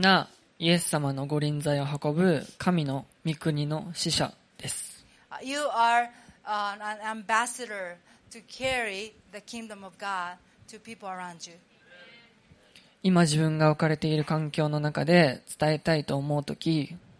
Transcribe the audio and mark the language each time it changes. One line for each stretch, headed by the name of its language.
Japanese: なイエス様の御臨在を運ぶ神の御国の使者です。
English: You are an ambassador. To carry the kingdom of God to people around you.
Japanese: 今自分が置かれている環境の中で伝えたいと思うとき、